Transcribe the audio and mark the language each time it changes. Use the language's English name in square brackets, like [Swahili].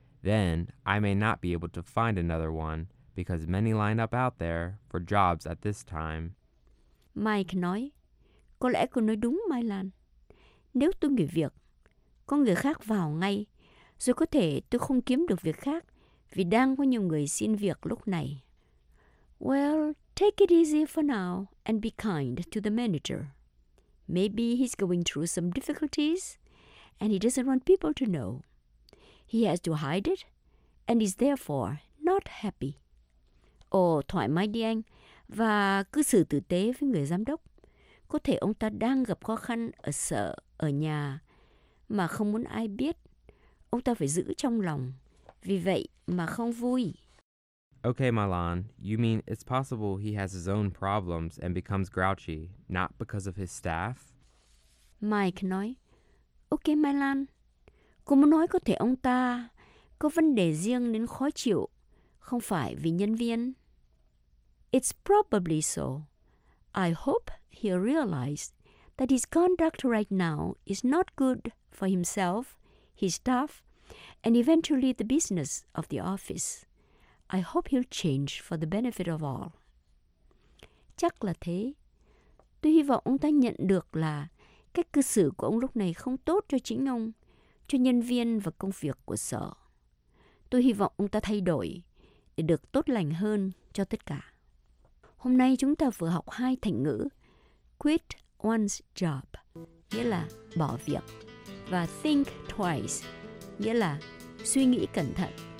[English] Then, I may not be able to find another one because many line up out there for jobs at this time. [Vietnamese] Mike nói, có lẽ cô nói đúng, Milan. Nếu tôi nghỉ việc, có người khác vào ngay, rồi có thể tôi không kiếm được việc khác vì đang có nhiều người xin việc lúc này. [English] Well, take it easy for now and be kind to the manager. Maybe he's going through some difficulties and he doesn't want people to know. He has to hide it and is therefore not happy. [Vietnamese] Thoải mái đi anh và cư xử tử tế với người giám đốc. Có thể ông ta đang gặp khó khăn ở sở, ở nhà mà không muốn ai biết. Ông ta phải giữ trong lòng, vì vậy mà không vui. [English] Okay, Milan, you mean it's possible he has his own problems and becomes grouchy, not because of his staff? [Vietnamese] Mike nói, okay, Milan, cô muốn nói có thể ông ta có vấn đề riêng đến khó chịu, không phải vì nhân viên. [English] It's probably so. I hope he'll realize that his conduct right now is not good for himself, his staff, and eventually the business of the office. I hope he'll change for the benefit of all. [Vietnamese] Chắc là thế. Tôi hy vọng ông ta nhận được là cách cư xử của ông lúc này không tốt cho chính ông, cho nhân viên và công việc của sở. Tôi hy vọng ông ta thay đổi để được tốt lành hơn cho tất cả. Hôm nay chúng ta vừa học hai thành ngữ [English] quit one's job, [Vietnamese] nghĩa là bỏ việc, và [English] think twice, [Vietnamese] nghĩa là suy nghĩ cẩn thận.